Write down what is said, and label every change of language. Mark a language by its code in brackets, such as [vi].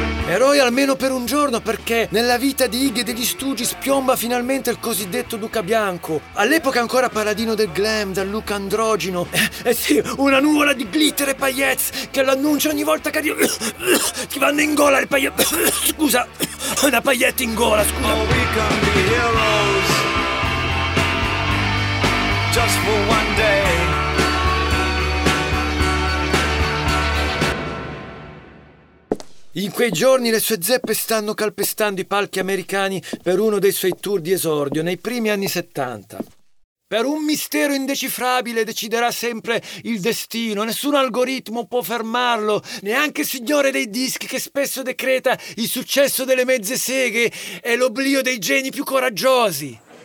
[it] Eroi almeno per un giorno, perché nella vita di Iggy e degli Stooges piomba finalmente il cosiddetto Duca Bianco, all'epoca ancora paladino del glam, dal look androgino, sì, una nuvola di glitter e paillettes che l'annuncia ogni volta che arriva. Ti vanno in gola le paillettes, scusa, una paillette in gola, scusa. [en] Oh, we can be heroes, just for one day. [it] In quei giorni le sue zeppe stanno calpestando i palchi americani per uno dei suoi tour di esordio, nei primi anni 70. Per un mistero indecifrabile deciderà sempre il destino, nessun algoritmo può fermarlo, neanche il signore dei dischi che spesso decreta il successo delle mezze seghe e l'oblio dei geni più coraggiosi.